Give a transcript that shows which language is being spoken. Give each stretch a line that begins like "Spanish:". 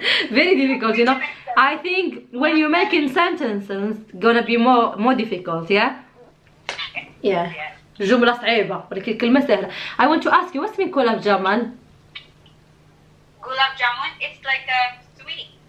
English: Very difficult, you know. I think when you're making sentences, it's gonna be more difficult, yeah? Yeah.
Arabic: جملة صعبة ولكن كلمة سهلة.
English: I want to ask you, what's mean gulab jamun? Gulab jamun, it's like a sweet.